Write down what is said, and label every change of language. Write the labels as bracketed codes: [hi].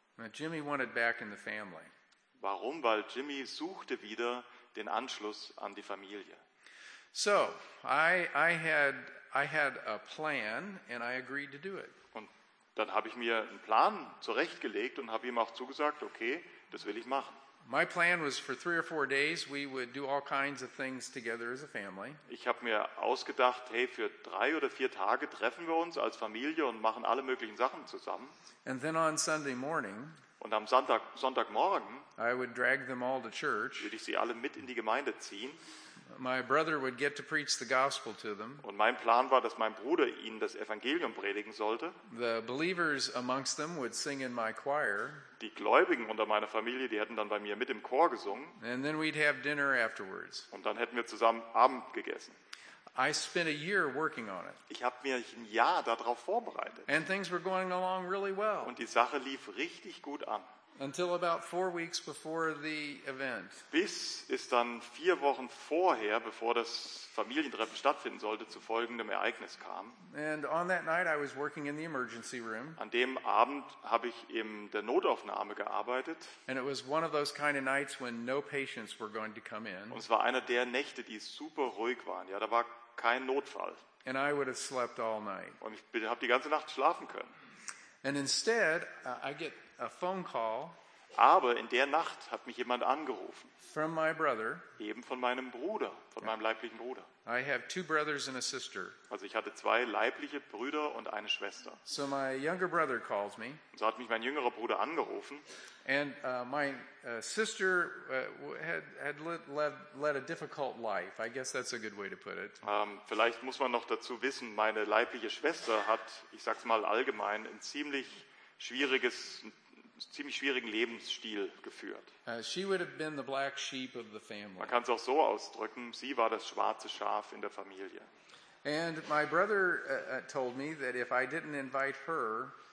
[en] Now Jimmy wanted back in the family. [de] Warum? Weil Jimmy suchte wieder den Anschluss an die Familie. [en] So, I had a plan and I agreed to do it. [de] Dann habe ich mir einen Plan zurechtgelegt und habe ihm auch zugesagt, okay, das will ich machen. [en] My plan was for 3 or 4 days we would do all kinds of things together as a family. [de] Ich habe mir ausgedacht, hey, für 3 oder 4 Tage treffen wir uns als Familie und machen alle möglichen Sachen zusammen. [en] And then on Sunday morning, [de] und am Sonntagmorgen, [en] I would drag them all to church. [de] Würde ich sie alle mit in die Gemeinde ziehen. [en] My brother would get to preach the gospel to them. [de] Und mein Plan war, dass mein Bruder ihnen das Evangelium predigen sollte. [en] The believers amongst them would sing in my choir. [de] Die Gläubigen unter meiner Familie, die hätten dann bei mir mit im Chor gesungen. [en] And then we'd have dinner afterwards. [de] Und dann hätten wir zusammen Abend gegessen. [en] I spent a year working on it. [de] Ich habe mich ein Jahr darauf vorbereitet. [en] And things were going along really well. [de] Und die Sache lief richtig gut an. [en] Until about 4 weeks before the event. [de] Bis es dann 4 Wochen vorher, bevor das Familientreffen stattfinden sollte, zu folgendem Ereignis kam. [en] And on that night I was working in the emergency room. [de] An dem Abend habe ich in der Notaufnahme gearbeitet. [en] And it was one of those kind of nights when no patients were going to come in. [de] Und es war einer der Nächte, die super ruhig waren. Ja, da war kein Notfall. [en] And I would have slept all night. [de] Und ich habe die ganze Nacht schlafen können. [en] And instead, I get a phone call. [de] Aber in der Nacht hat mich jemand angerufen. [en] From my brother. [de] Eben von meinem Bruder, von meinem leiblichen Bruder. [en] I have 2 brothers and a sister. [de] Also ich hatte 2 leibliche Brüder und eine Schwester. [en] So my younger brother calls me. [de] So hat mich mein jüngerer Bruder angerufen. [en] And my sister had led a difficult life. I guess that's a good way to put it. [de] Vielleicht muss man noch dazu wissen, meine leibliche Schwester hat, ich sag's mal allgemein, einen ziemlich schwierigen Lebensstil geführt. [en] She would have been the black sheep of the family. [de] Man kann es auch so ausdrücken, sie war das schwarze Schaf in der Familie. [en] And my brother told me that if I didn't invite her,